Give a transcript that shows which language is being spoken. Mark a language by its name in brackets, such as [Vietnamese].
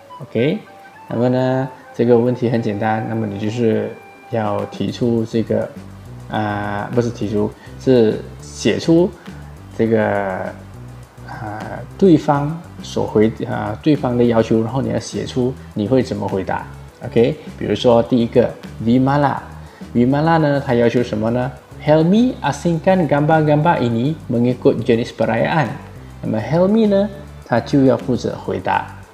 [Chinese] OK， 那么呢，这个问题很简单，那么你就是要提出这个，不是提出，是写出这个，对方所回对方的要求，然后你要写出你会怎么回答。 OK， 比如说第一个 Vimala。 [Malay] Vimala [Chinese] 呢，他要求什么呢 [Malay] ？Helmi asingkan gambar-gambar ini mengikut jenis perayaan。 [Chinese] 那么 Helmi 呢，他就要负责回答。